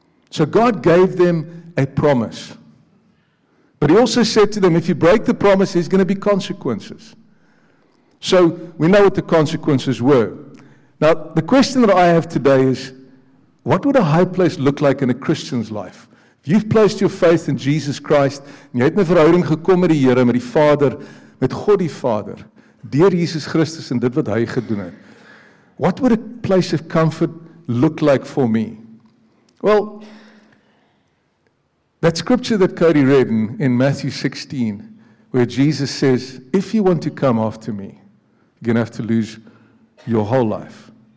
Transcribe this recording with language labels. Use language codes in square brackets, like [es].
[en] So God gave them a promise. But he also said to them, if you break the promise, there's going to be consequences. So we know what the consequences were. Now, the question that I have today is, what would a high place look like in a Christian's life? You've placed your faith in Jesus Christ, and [af] jy het 'n verhouding gekom met die Here, met die Vader, met God die Vader, deur Jesus Christus en dit wat hy gedoen het. [en] What would a place of comfort look like for me? Well, that scripture that Cody read in Matthew 16, where Jesus says, if you want to come after me, you're going to have to lose your whole life.